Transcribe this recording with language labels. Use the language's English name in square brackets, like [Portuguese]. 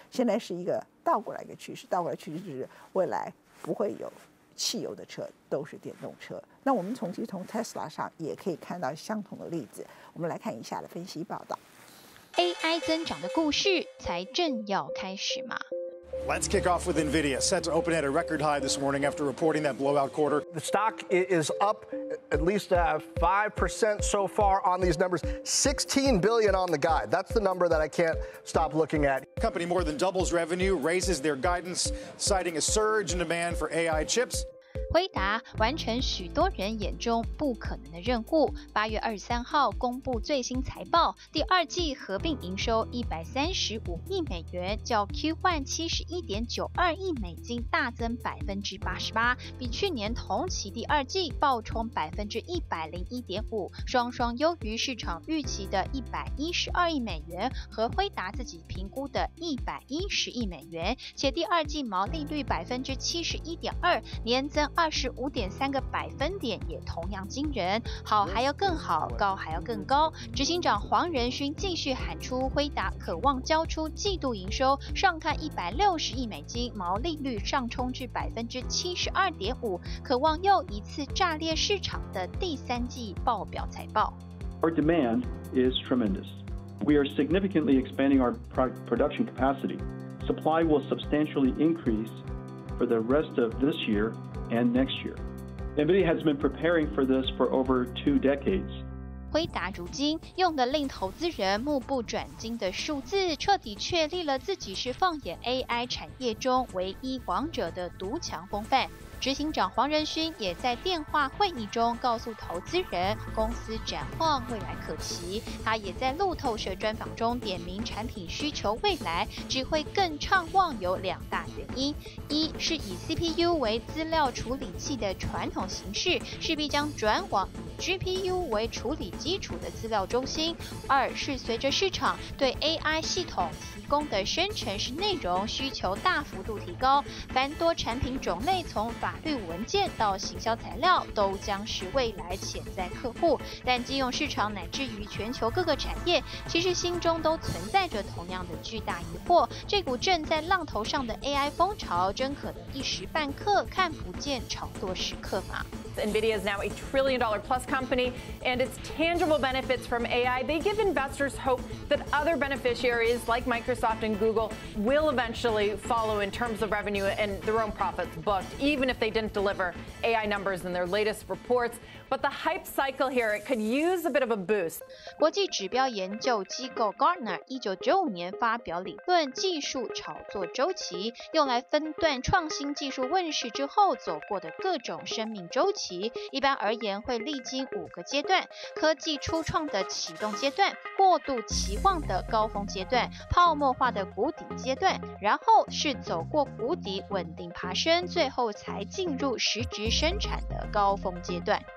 [Chinese] 现在是一个倒过来一个趋势，倒过来趋势就是未来不会有汽油的车，都是电动车。那我们从 Tesla 上也可以看到相同的例子，我们来看以下的分析报道。 AI 增长的故事才正要开始吗？ [English] Let's kick off with NVIDIA, set to open at a record high this morning after reporting that blowout quarter. The stock is up at least 5% so far on these numbers. $16 billion on the guide. That's the number that I can't stop looking at. Company more than doubles revenue, raises their guidance, citing a surge in demand for AI chips. [Chinese] 辉达完成许多人眼中不可能的任务，8月23号公布最新财报，第二季合并营收135亿美元，较 Q1 71.92亿美金大增 88%，比去年同期第二季暴冲 101.5%， 双双优于市场预期的112亿美元和辉达自己评估的110亿美元，且第二季毛利率 71.2%， 年增25.3%，也同样惊人。好还要更好，高还要更高。执行长黄仁勋继续喊出，辉达渴望交出季度营收上看160亿美金，毛利率上冲至72.5%，渴望又一次炸裂市场的第三季爆表财报。 [English] Our demand is tremendous. We are significantly expanding our production capacity. Supply will substantially increase for the rest of this year. And next year. NVIDIA has been preparing for this for over 2 decades. [Chinese] 辉达如今用的令投资人目不转睛的数字，彻底确立了自己是放眼 AI 产业中唯一王者的独强风范。执行长黄仁勋也在电话会议中告诉投资人，公司展望未来可期。他也在路透社专访中点名，产品需求未来只会更畅旺有两大原因：一是以 CPU 为资料处理器的传统形式势必将转往GPU 为处理基础的资料中心，二是随着市场对 AI 系统提供的生成式内容需求大幅度提高，繁多产品种类从法律文件到行销材料都将是未来潜在客户。但金融市场乃至于全球各个产业其实心中都存在着同样的巨大疑惑，这股正在浪头上的 AI 风潮真可能一时半刻看不见炒作时刻吗？ [English] NVIDIA is now $1 trillion plus company, and its tangible benefits from AI, they give investors hope that other beneficiaries like Microsoft and Google will eventually follow in terms of revenue and their own profits booked, even if they didn't deliver AI numbers in their latest reports. But the hype cycle here, it could use a bit of a boost. [Chinese] 国际指标研究机构 Gartner 1995年发表理论技术炒作周期，用来分段创新技术问世之后走过的各种生命周期，一般而言会历经5个阶段：科技初创的启动阶段，过度期望的高峰阶段，泡沫化的谷底阶段，然后是走过谷底稳定爬升，最后才进入实质生产的高峰阶段。